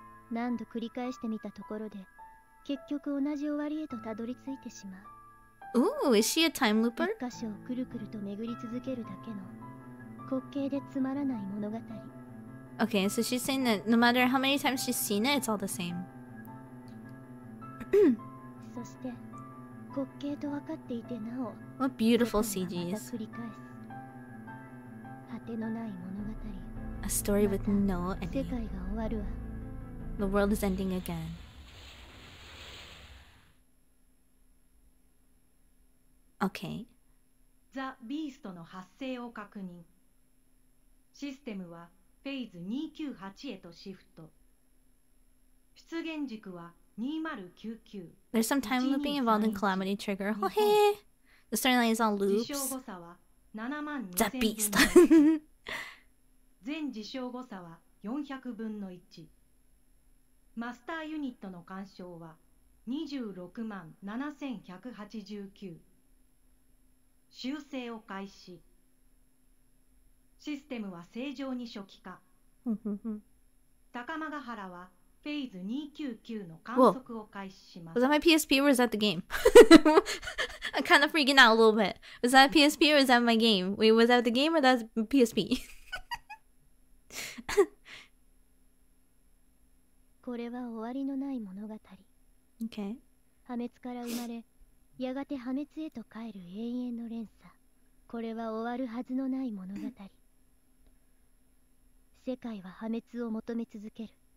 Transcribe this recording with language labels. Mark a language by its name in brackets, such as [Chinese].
[Japanese] 何度繰り返してみたところで、結局同じ終わりへとたどり着いてしまう。 [English] Ooh, is she a time looper? [Japanese] 一箇所をくるくると巡り続けるだけの、滑稽でつまらない物語。 [English] Okay, so she's saying that no matter how many times she's seen it, it's all the same. [Japanese] そして。滑稽と分かっていてなお、 [English] What beautiful CGs. [Japanese] 果てのない物語。 [English] A story with no ending. [Japanese] 世界が終わるわ。 [English] The world is ending again. Okay. [Japanese] ザ・ビーストの発生を確認。システムはフェーズ298へとシフト。出現軸は2099。 [English] There's some time looping involved in calamity trigger. Oh, hey! The storyline is on loops. [Japanese] 自称誤差は72000。 [English] The beast! [Japanese] 全自称誤差は400分の1。マスターユニットの干渉は267189。修正を開始。システムは正常に初期化。高間ヶ原はフェーズ299の観測を開始します。 [English] Whoa. Was that my PSP or was that the game? I'm kind of freaking out a little bit. Was that PSP or was that my game? Wait, was that the game or that PSP? [Japanese] これは終わりのない物語。 [English] Okay. [Japanese] 破滅から生まれ、やがて破滅へと帰る永遠の連鎖。これは終わるはずのない物語。世界は破滅を求め続ける。